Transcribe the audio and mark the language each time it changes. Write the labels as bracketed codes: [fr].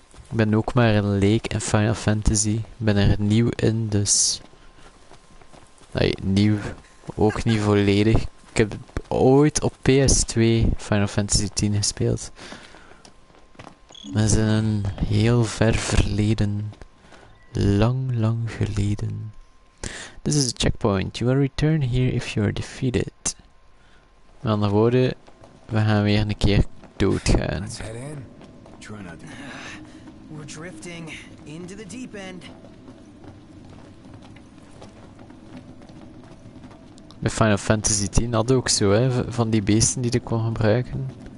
[nl] Ik ben ook maar een leek in Final Fantasy. Ik ben er nieuw in, dus... nieuw. Ook niet volledig. Ik heb ooit op PS2 Final Fantasy X gespeeld. Dat is in een heel ver verleden. Lang, lang geleden. [en] This is a checkpoint. You will return here if you are defeated. [nl] Met andere woorden, we gaan weer een keer doodgaan. [en] Let's head in. Try not to... We're drifting into the deep end. [nl] Met Final Fantasy X had ook zo, hè, van die beesten die ik kon gebruiken.